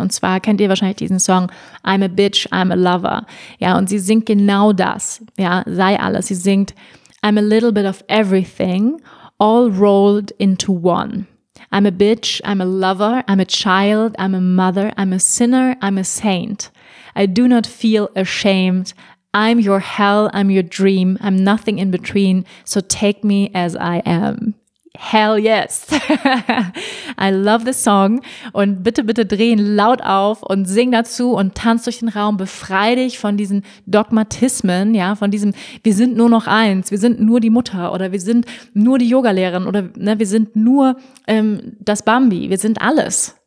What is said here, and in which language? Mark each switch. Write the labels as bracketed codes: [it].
[de] Und zwar kennt ihr wahrscheinlich diesen Song [en] I'm a bitch, I'm a lover. [de] Ja, und sie singt genau das. Ja, sei alles. Sie singt [en] I'm a little bit of everything, all rolled into one. I'm a bitch, I'm a lover, I'm a child, I'm a mother, I'm a sinner, I'm a saint. I do not feel ashamed. I'm your hell, I'm your dream, I'm nothing in between, so take me as I am. Hell yes. I love the song. [de] Und bitte, bitte drehen laut auf und sing dazu und tanz durch den Raum. Befrei dich von diesen Dogmatismen, ja, von diesem, wir sind nur noch eins, wir sind nur die Mutter oder wir sind nur die Yogalehrerin oder ne, wir sind nur das Bambi, wir sind alles.